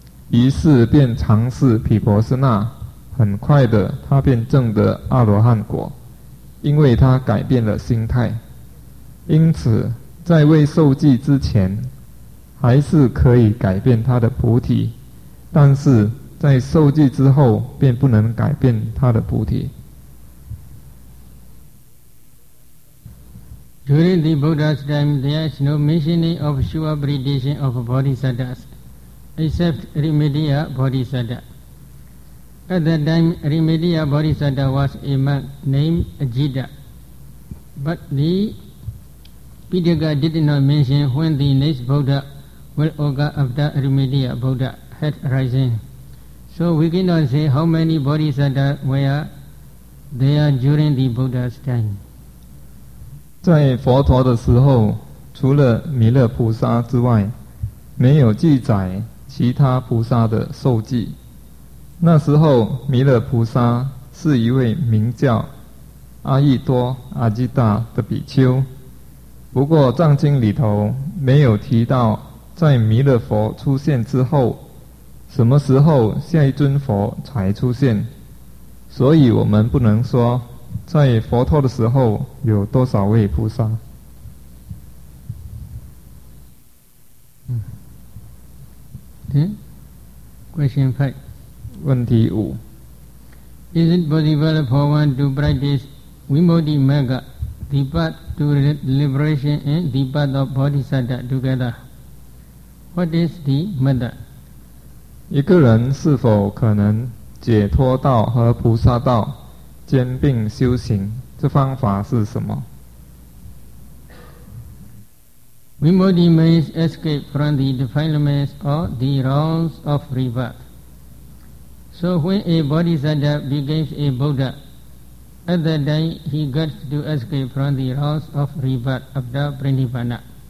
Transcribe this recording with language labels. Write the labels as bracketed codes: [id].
[zh] 于是便尝试毗婆舍那，很快的他便证得阿罗汉果，因为他改变了心态。因此在未受记之前还是可以改变他的菩提，但是在受记之后便不能改变他的菩提。 [en] During the Buddha's time, there is no mentioning of sure predation of Bodhisattvas except Irimidiya Bodhisattva. At that time, Irimidiya Bodhisattva was a monk named Ajita. But the Pitaka did not mention when the next Buddha will occur after Irimidiya Buddha had risen. So we cannot say how many bodhisattvas were there during the Buddha's time. [zh] 在佛陀的时候，除了弥勒菩萨之外，没有记载其他菩萨的受记。那时候，弥勒菩萨是一位名叫阿逸多阿吉达的比丘。不过藏经里头没有提到在弥勒佛出现之后什么时候下一尊佛才出现，所以我们不能说在佛陀的时候有多少位菩萨？ [en] Question 5. [zh] 问题五。 [en] Is it possible for one to practice Vimuti Magga, the path to liberation and the path of Bodhisattva together? What is the Magga? [zh] 一个人是否可能解脱道和菩萨道兼并修行？这方法是什么？ [en] Vimuti means escape from the defilements or the realms of rebirth. So when a bodhisattva becomes a Buddha, at that time he gets to escape from the realms of rebirth after pranibbana.